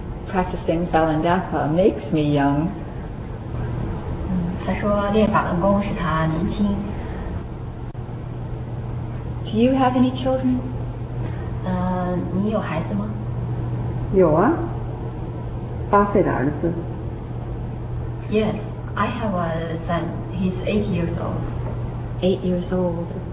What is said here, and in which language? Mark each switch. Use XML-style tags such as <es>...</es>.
<en>Practicing Falun Dafa makes me young.</en> <zh>他说练法轮功使他年轻。</zh> <en>Do you have any children?</en> <zh>你有孩子吗？有啊，八岁的儿子。</zh> <en>Yes, I have a son. He's 8 years old. 8 years old.</en>